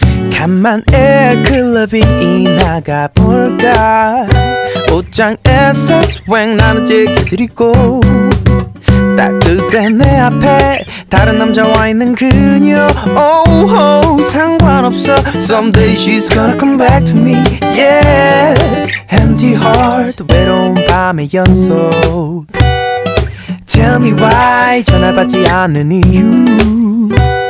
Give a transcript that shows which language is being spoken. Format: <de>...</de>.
<ko>간만에 클럽이 나가볼까. 옷장에서 스웩 나는 재킷을 입고 따뜻한 내 앞에 다른 남자와 있는 그녀. Oh, oh, 상관없어.</ko> <en>Someday she's gonna come back to me. Yeah. Empty heart</en> <ko>외로운 밤의 연속.</ko> <en>Tell me why</en> <ko>전화 받지 않는 이유.</ko>